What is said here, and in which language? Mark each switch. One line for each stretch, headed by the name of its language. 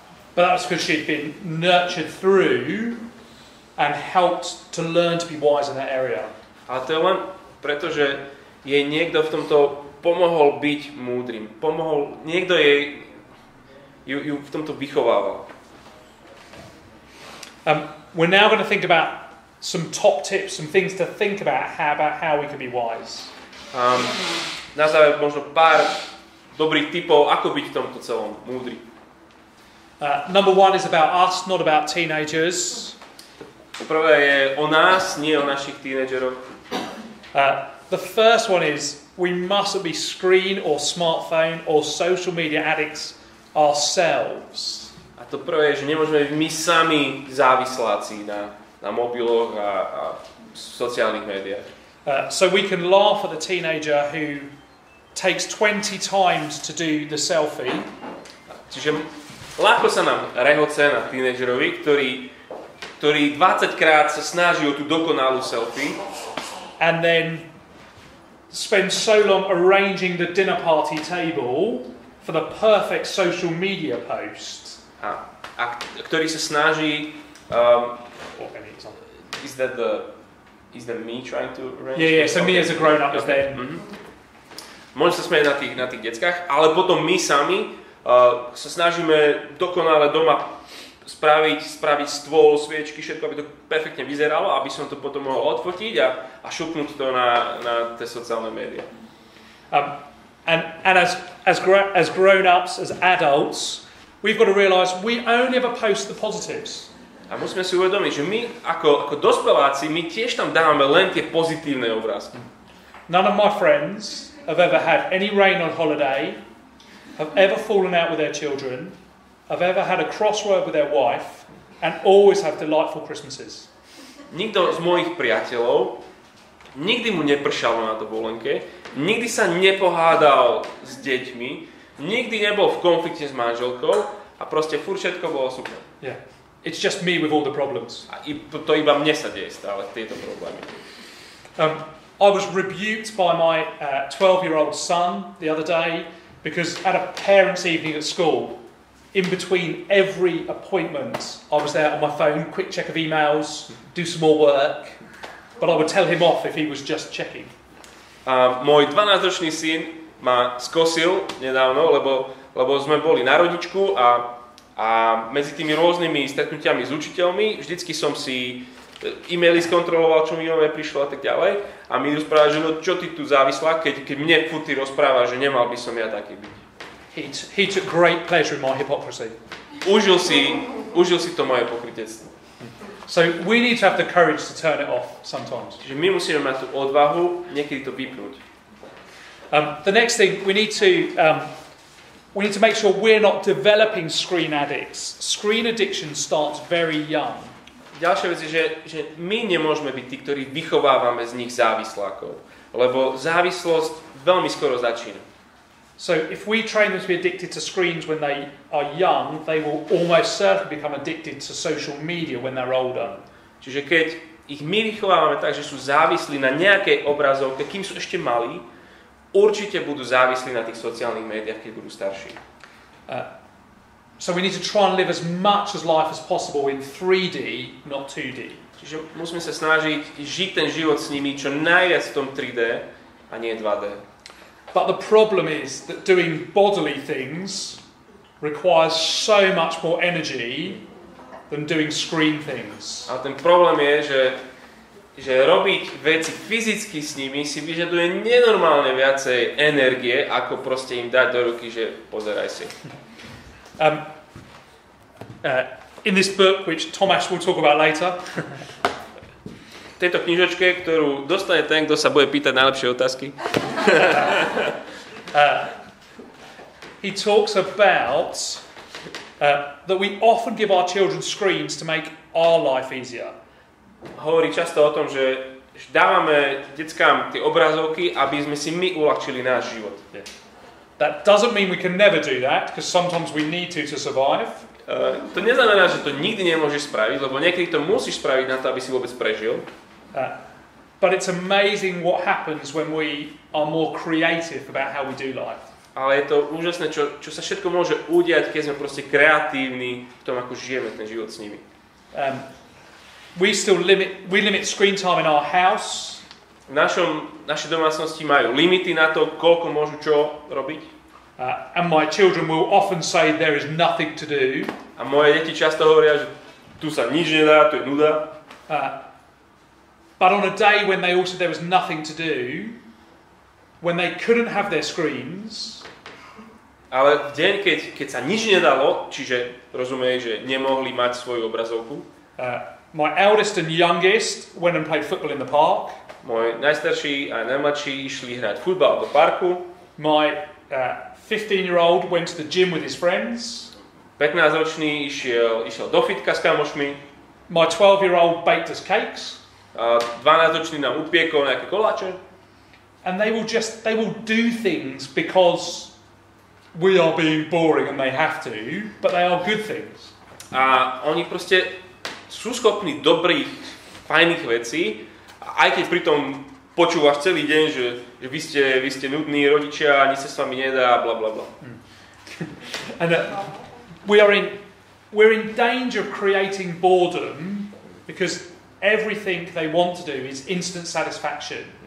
English: But that was because she'd been nurtured through and helped to learn to be wise in that area.
Slovak: A to je len preto, že jej niekto v tomto pomohol byť múdrym. Pomohol, niekto jej ju v tomto vychovával.
English: We're now going to think about some top tips, some things to think about how we can be wise.
Slovak: Na záver možno pár dobrých tipov, ako byť v tomto celom múdry.
English: Number one is about us, not about teenagers.
Slovak: Prvé je o nás, nie o našich tínedžeroch.
English: The first one is we mustn't be screen or smartphone or social media addicts ourselves.
Slovak: A to prvé je, že nemôžeme my sami závisláci na mobiloch a sociálnych médiách.
English: So we can laugh at the teenager who takes 20 times to do the selfie.
Slovak: Čiže ľahko sa nám rehoce na teenagerovi, ktorý 20 krát sa snaží o tú dokonalú selfie.
English: And then spend so long arranging the dinner party table for the perfect social media post.
Slovak: a ktorý sa snaží
English: me as a grown up there.
Slovak: Možno sa smeje na tých deckách, ale potom my sami sa snažíme dokonale doma spraviť stôl, sviečky, všetko, aby to perfektne vyzeralo, aby som to potom mohol odfotiť a šupnúť to na tie sociálne médiá.
English: And as grown-ups, as adults, we've got to realize we only ever post the positives.
Slovak: A musíme si uvedomiť, že my ako dospeláci, my tiež tam dávame len tie pozitívne obrázky.
English: None of my friends have ever had any rain on holiday, have ever fallen out with their children, have ever had a crossword with their wife, and always have delightful Christmases.
Slovak: Nikto z mojich priateľov nikdy mu nepršalo na dovolenke, nikdy sa nepohádal s deťmi, nikdy nebol v konflikte s manželkou a proste furt všetko bolo super.
English: Yeah. It's just me with all the problems.
Slovak: A to iba mne sa deje stále, tieto problémy.
English: I was rebuked by my 12-year-old son the other day because at a parents' evening at school, in between every appointment, I was there on my phone, quick check of emails, do some more work, but I would tell him off if he was just checking.
Slovak: Môj 12-ročný syn ma skosil nedávno, lebo sme boli na rodičku a medzi tými rôznymi stretnutiami s učiteľmi vždycky som si e-maily skontroloval, čo mi nové prišlo a tak ďalej. A mi rozpráva, že no čo ty tu závislá, keď mne futy rozpráva, že nemal by som ja taký byť.
English: He took great pleasure in my hypocrisy.
Slovak: Užil si to moje pokrytectvo.
English: So we need to have the courage to turn it off sometimes.
Slovak: Čiže my musíme mať tú odvahu niekedy to vypnúť.
English: The next thing we need to make sure we're not developing screen addicts. Screen addiction starts very young.
Slovak: Ďalšia vec je, že my nemôžeme byť tí, ktorí vychovávame z nich závislákov, lebo závislosť veľmi skoro začína.
English: So if we train them to be addicted to screens when they are young, they will almost certainly become addicted to social media when they're older.
Slovak: Čiže keď ich my vychovávame tak, že sú závislí na nejakej obrazovke, kým sú ešte malí, určite budú závislí na tých sociálnych médiách, keď budú starší.
English: So we need to try and live as much as life as possible in 3D, not 2D.
Slovak: Čiže musíme sa snažiť žiť ten život s nimi čo najviac v tom 3D a nie 2D.
English: But the problem is that doing bodily things requires so much more energy than doing screen things.
Slovak: A ten problém je, že robiť veci fyzicky s nimi si vyžaduje nenormálne viacej energie, ako proste im dať do ruky, že pozeraj si.
English: In this book, which Tomáš will talk about later.
Slovak: V tejto knižočke, ktorú dostane ten, kto sa bude pýtať najlepšie otázky.
English: He talks about that we often give our children screens to make our life easier.
Slovak: Hovorí často o tom, že dávame deckám tie obrazovky, aby sme si my uľahčili náš život.
English: That doesn't mean we can never do that, because sometimes we need to survive.
Slovak: To neznamená, že to nikdy nemôžeš spraviť, lebo niekedy to musíš spraviť na to, aby si vôbec prežil.
English: But it's amazing what happens when we are more creative about how we do life.
Slovak: Ale je to úžasné, čo sa všetko môže udiať, keď sme proste kreatívni v tom, ako žijeme ten život s nimi.
English: We limit screen time in our house.
Slovak: V našej domácnosti majú limity na to, koľko môžu čo robiť.
English: And my children will often say there is nothing to do.
Slovak: A moje deti často hovoria, že tu sa nič nedá, to je nuda.
English: But on a day when they also there was nothing to do, when they couldn't have their screens.
Slovak: Ale v deň, keď sa nič nedalo, čiže rozumej, že nemohli mať svoju obrazovku.
English: My eldest and youngest went and played football in the park.
Slovak: Môj najstarší a najmladší išli hrať futbal do parku.
English: My 15-year-old went to the gym with his friends.
Slovak: 15-ročný išiel do fitka s kamošmi.
English: My 12-year-old baked us cakes.
Slovak: 12-ročný nám upiekol nejaké koláče.
English: And they will do things because we are being boring and they have to, but they are good things.
Slovak: A oni proste sú schopní dobrých, fajných vecí, aj keď pritom počúvaš celý deň, že vy ste nudní rodičia, ani sa s vami nedá, blablabla.
English: And we are in We're in danger of creating boredom because everything they want to do is instant satisfaction.